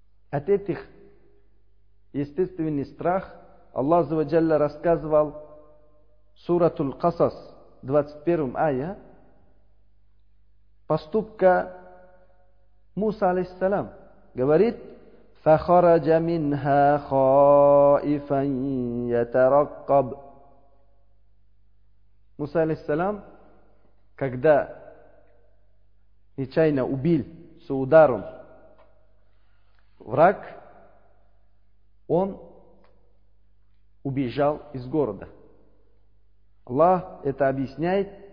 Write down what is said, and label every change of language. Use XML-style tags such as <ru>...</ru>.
<ru>От этих естественный страх Аллах Азза ва Джалла рассказывал сурату Аль-Касас, 21 ая, поступка Муса алейхиссалам. Говорит:</ru> <ar>فَخَرَجَ مِنْهَا خَائِفًا يَتَرَقَّبُ.</ar> <ru>Муса алейхиссалам, когда нечаянно убил с ударом враг, он убежал из города. Аллах это объясняет,</ru>